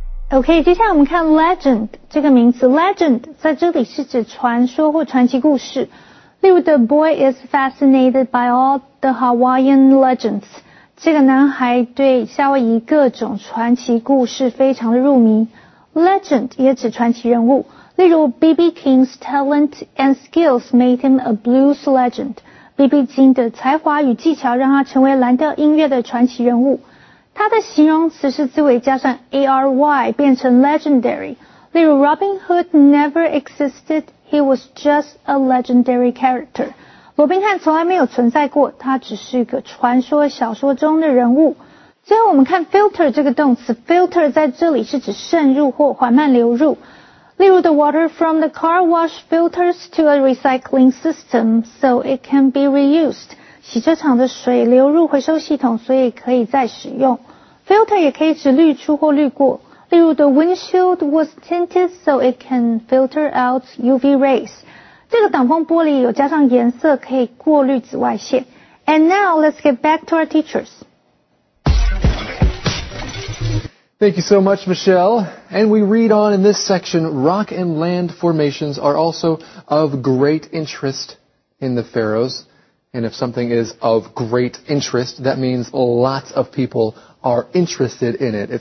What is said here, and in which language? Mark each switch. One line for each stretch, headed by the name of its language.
Chinese: OK, 接下来我们看 legend 这个名词。legend 在这里是指传说或传奇故事。例如
English: ,the boy is fascinated by all the Hawaiian legends.
Chinese: 这个男孩对夏威夷各种传奇故事非常的入迷。 legend 也指传奇人物。例如 ,B.B.
English: King's talent and skills made him a blues legend. B.B.
Chinese: King 的才华与技巧让他成为蓝调音乐的传奇人物。它的形容词是字尾加上 ary 变成 legendary。例如
English: ,Robin Hood never existed, he was just a legendary character.
Chinese: 罗宾汉从来没有存在过，他只是一个传说小说中的人物。最后我们看 filter 这个动词 ,filter 在这里是指渗入或缓慢流入。例如
English: ,the water from the car wash filters to a recycling system, so it can be reused.
Chinese: 洗车场的水流入回收系统，所以可以再使用。
English: Filter
Chinese: 也可以指滤出或滤过，例如
English: the windshield was tinted so it can filter out UV rays.
Chinese: 这个挡风玻璃有加上颜色，可以过滤紫外线。
English: And now let's get back to our teachers. Thank you so much, Michelle. And we read on in this section, rock and land formations are also of great interest in the Faroes. And if something is of great interest, that means lots of people are interested in it.